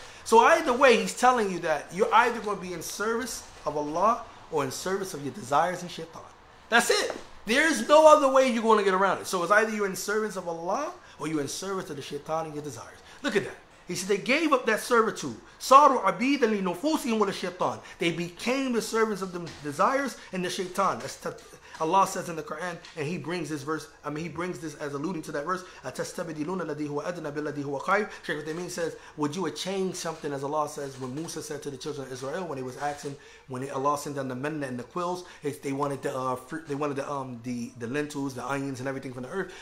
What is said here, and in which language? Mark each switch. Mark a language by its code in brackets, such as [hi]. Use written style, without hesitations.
[en] So either way, he's telling you that you're either going to be in service of Allah or in service of your desires and shaitan. That's it. There's no other way you're going to get around it. So it's either you're in service of Allah or you're in service of the shaitan and your desires. Look at that. He said they gave up that servitude. [ar] صاروا عبيدا لنفوسهم والشيطان. [en] They became the servants of the desires and the shaitan. That's Allah says in the Quran, and he brings this verse, as alluding to that verse, [ar] أَتَسْتَبِدِلُونَ الَّذِي هُوَ أَدْنَى بِالَّذِي هُوَ خَيْرٌ. [en] Sheikh, what they mean says, would you change something, as Allah says, when Musa said to the children of Israel, when he was asking, when Allah sent down the manna and the quills, they wanted the lentils, the onions, and everything from the earth.